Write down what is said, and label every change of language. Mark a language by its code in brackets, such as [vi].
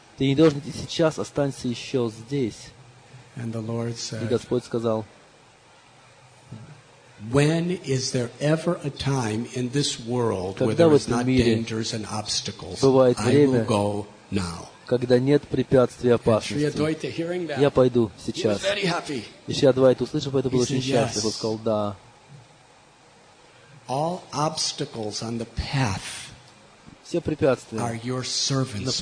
[ru] Ты не должен идти сейчас, останься еще здесь. [en] And the Lord said, [ru] и Господь сказал, [en] when is there ever a time in this world where there is not dangers and obstacles? I will go now. [ru] Когда нет препятствий и опасности. [en] And Shri Adwaita, hearing that, [ru] я пойду сейчас. [en] He was very happy. [ru] И Shri Adwaita, услышав это, был очень счастлив. Он сказал, да. [en] All obstacles on the path [ru] все препятствия [en] are your servants,